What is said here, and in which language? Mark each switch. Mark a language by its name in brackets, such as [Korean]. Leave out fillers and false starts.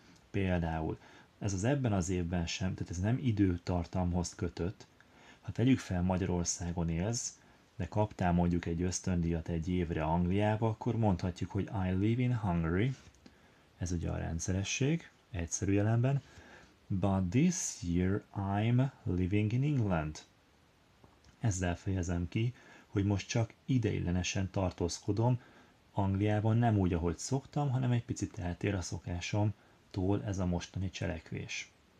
[Hungarian] Például, ez az ebben az évben sem, tehát ez nem időtartamhoz kötött. Ha tegyük fel, Magyarországon élsz, de kaptál mondjuk egy ösztöndíjat egy évre Angliába, akkor mondhatjuk, hogy [English] I live in Hungary. [Hungarian] Ez ugye a rendszeresség, egyszerű jelenben. [English] But this year I'm living in England. [Hungarian] Ezzel fejezem ki, hogy most csak ideiglenesen tartózkodom Angliában, nem úgy, ahogy szoktam, hanem egy picit eltér a szokásomtól ez a mostani cselekvés.